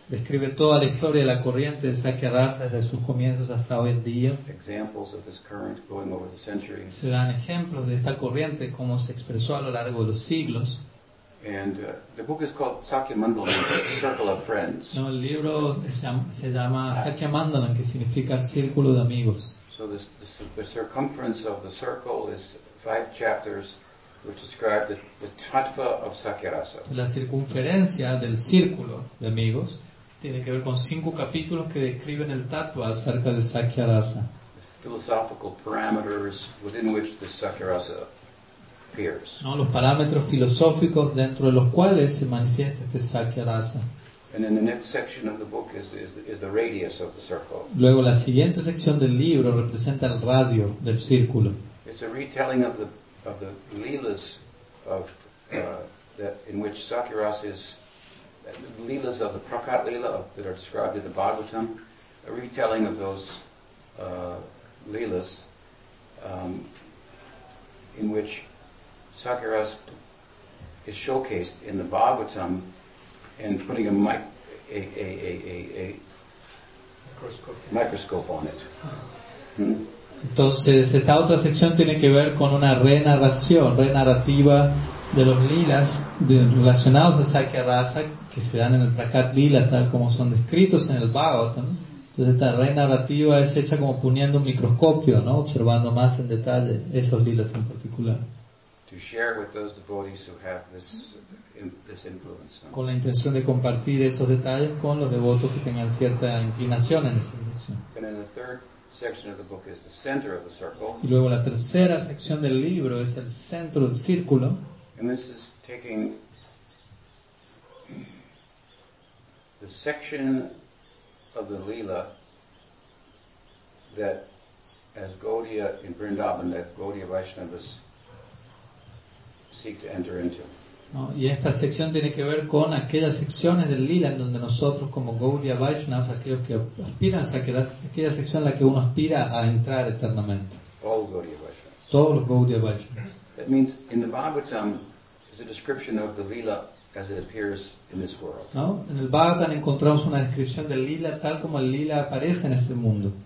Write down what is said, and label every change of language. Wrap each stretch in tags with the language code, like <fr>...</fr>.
<es>Describe toda la historia de la corriente de Sakyaras desde sus comienzos hasta hoy en día.</es> <en>Examples of this current going over the centuries.</en> <es>Se dan ejemplos de esta corriente cómo se expresó a lo largo de los siglos.</es> <en>And the book is called Sakya Mandalam, Circle of Friends.</en> <es>No, el libro se llama Sakya Mandalam, que significa círculo de amigos.</es> <en>So the circumference of the circle is 5 chapters. Which describes the tattva of Sakyarasa.</en> <es>La circunferencia del círculo de amigos tiene que ver con 5 capítulos que describen el tattva acerca de Sakyarasa.</es> <en>The philosophical parameters within which the Sakyarasa appears.</en> <es>No, los parámetros filosóficos dentro de los cuales se manifiesta este Sakyarasa.</es> <en>And then the next section of the book is the radius of the circle.</en> <es>Luego la siguiente sección del libro representa el radio del círculo.</es> <en>It's a retelling of the leelas of in which Sakyaras is the leelas of the Prakat Leela that are described in the Bhagavatam, a retelling of those leelas in which Sakyaras is showcased in the Bhagavatam and putting a microscope on it.</en> <es>Entonces, esta otra sección tiene que ver con una renarración, renarrativa de los lilas relacionados a Sakyarasa que se dan en el Prakat Lila, tal como son descritos en el Bhagavatam. Entonces, esta renarrativa es hecha como poniendo un microscopio, ¿no? Observando más en detalle esos lilas en particular.</es> <en>to share with those devotees who have this this influence.</en> <es>Con la intención de compartir esos detalles con los devotos que tengan cierta inclinación en esa dirección.</es> <en>And then the third section of the book is the center of the circle.</en> <es>Y luego la tercera sección del libro es el centro del círculo.</es> <en>And this is taking the section of the lila that, as Gaudiya in Vrindavan, that Gaudiya Vaishnavas seek to enter into.</en> <es>No, y esta sección tiene que ver con aquellas secciones del lila en donde nosotros, como Gaudiya Vaishnavas, aquellos que aspiran a aquella sección en la que uno aspira a entrar eternamente.</es> <en>All Gaudiya Vaishnavas.</en> <es>Todos los Gaudiya Vaishnavas.</es> <en>That means in the Bhagavatam is a description of the lila as it appears in this world.</en> <es>No, en el Bhagavatam encontramos una descripción del lila tal como el lila aparece en este mundo.</es>